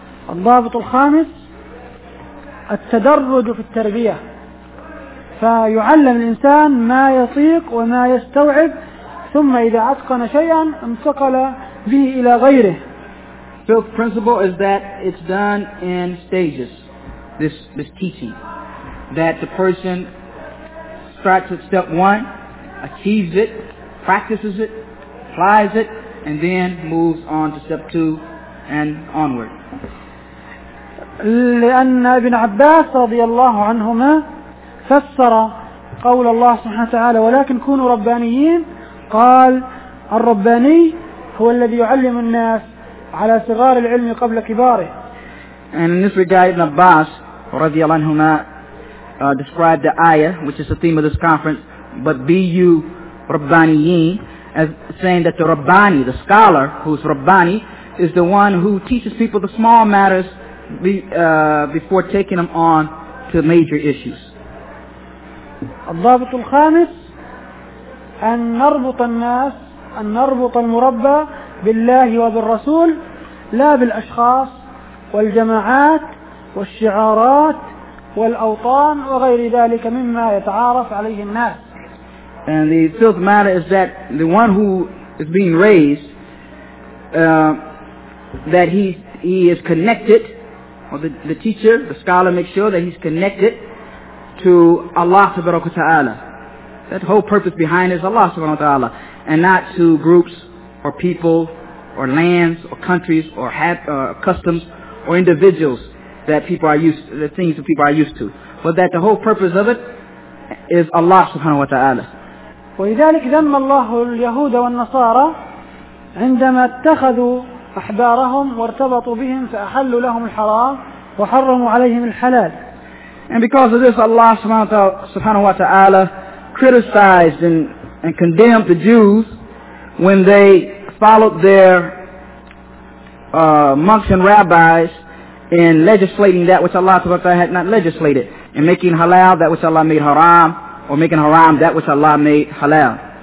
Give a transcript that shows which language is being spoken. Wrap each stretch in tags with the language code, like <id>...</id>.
<ar>الضابط الخامس التدرج في التربية فيعلم الإنسان ما يطيق وما يستوعب ثم إذا أتقن شيئا انتقل به إلى غيره.</ar> <en>Fifth principle is that it's done in stages, this teaching, that the person starts at step one, achieves it, practices it, applies it, and then moves on to step two and onward.</en> <ar>لأن ابن عباس رضي الله عنهما فسر قول الله سبحانه وتعالى ولكن كونوا ربانيين, قال الرباني هو الذي يعلم الناس على صغار العلم قبل كباره.</ar> <en>And in this regard, Ibn Abbas</en> <ar>رضي الله عنهما</ar> <en>described the ayah, which is the theme of this conference, but be you ربانيين, as saying that the ربانى, the scholar who's ربانى, is the one who teaches people the small matters before taking them on to major issues.</en> <ar>الضابط الخامس أن نربط الناس أن نربط المربى بالله وبالرسول لا بالأشخاص والجماعات والشعارات والأوطان وغير ذلك مما يتعارف عليه الناس.</ar> <en>And the fifth matter is that the one who is being raised that he is connected, or the teacher, the scholar, makes sure that he's connected to Allah subhanahu wa ta'ala. That whole purpose behind it is Allah subhanahu wa ta'ala, and not to groups or people or lands or countries or customs or individuals that people are used to. But that the whole purpose of it is Allah subhanahu wa ta'ala.</en> <ar>ولذلك ذم الله اليهود والنصارى عندما اتخذوا أحبارهم وارتبطوا بهم فأحلوا لهم الحرام وحرموا عليهم الحلال.</ar> <en>And because of this, Allah subhanahu wa ta'ala criticized and condemned the Jews when they followed their monks and rabbis in legislating that which Allah subhanahu wa ta'ala had not legislated, and making halal that which Allah made haram, or making haram that which Allah made halal.</en>